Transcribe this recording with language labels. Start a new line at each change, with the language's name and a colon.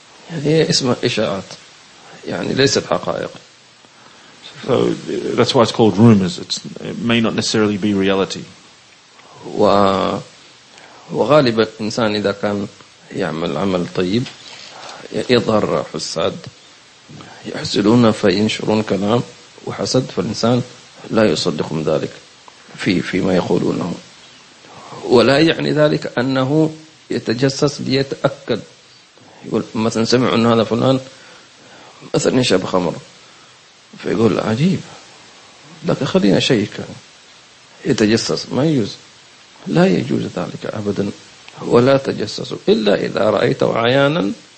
Arabic: هي اسمها إشاعات يعني ليست حقائق.
English: So that's why it's called rumors. It may not necessarily be reality.
Arabic: وغالبا الإنسان إذا كان يعمل عمل طيب يظهر حسد يحسدون فينشرون كلام وحسد فالإنسان لا يصدق من ذلك فيما يقولونه. ولا يعني ذلك أنه يتجسس ليتأكد يقول مثلا سمعوا أن هذا فلان مثلا يشرب خمر فيقول عجيب لكن خلينا شيك يتجسس ما يجوز لا يجوز ذلك أبدا ولا تجسس إلا إذا رأيته عيانا